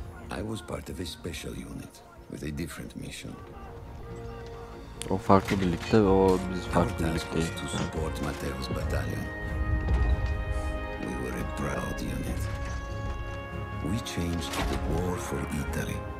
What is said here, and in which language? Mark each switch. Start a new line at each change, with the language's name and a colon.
English: I was part of a special unit with a different mission.
Turkish: O farklı birlikte, o biz farklı birlikte.
English: To support Mateo's battalion. Proud unit. We changed the war for Italy.